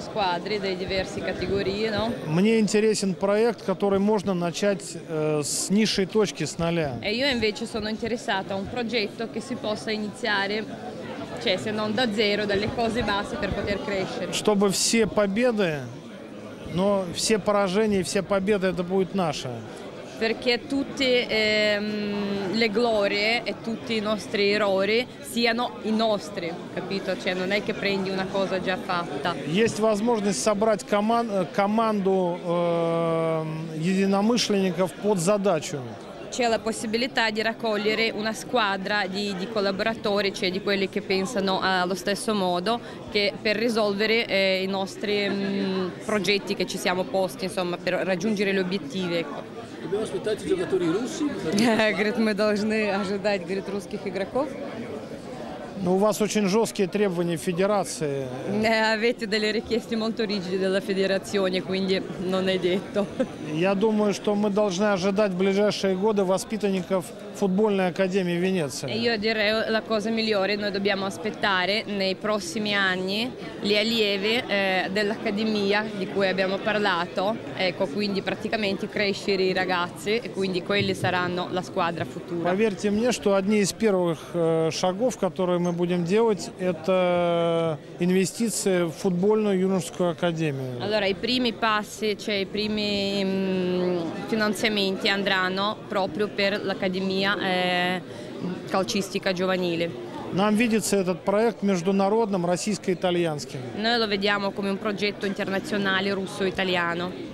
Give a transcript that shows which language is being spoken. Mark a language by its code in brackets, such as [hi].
[it] squadre, dei diversi categorie, no? [ru] Мне интересен проект, который можно начать с низшей точки, с нуля. [it] E io invece sono interessata a un progetto che si possa iniziare, cioè se non da zero, dalle cose basse per poter crescere. [ru] Чтобы все победы, но все поражения и все победы это будет наше. [it] Perché tutte le glorie e tutti i nostri errori siano i nostri, capito? Cioè non è che prendi una cosa già fatta. [ru] Есть возможность собрать команду единомышленников под задачу. [it] C'è la possibilità di raccogliere una squadra di collaboratori, cioè di quelli che pensano allo stesso modo, che per risolvere i nostri progetti che ci siamo posti, insomma, per raggiungere gli obiettivi. Ecco. [ru] Говорит, мы должны ожидать, говорит, русских игроков. Ну, у вас очень жесткие требования федерации. [it] Avete delle richieste molto rigide della federazione, quindi non è detto. [ru] Я думаю, что мы должны ожидать в ближайшие годы воспитанников футбольной академии Венеции. [it] Io direi la cosa migliore, noi dobbiamo aspettare nei prossimi anni gli allievi dell'accademia di cui abbiamo parlato, ecco, quindi praticamente crescere i ragazzi e quindi quelli saranno la squadra futura. [ru] Поверьте мне, что одни из первых шагов, которые мы будем делать, это инвестиции в футбольную юношескую академию. [it] Allora, i primi passi, cioè i primi finanziamenti andranno proprio per l'Accademia calcistica giovanile. [ru] Нам видится этот проект международным, российско-итальянским. [it] Noi lo vediamo come un progetto internazionale russo-italiano.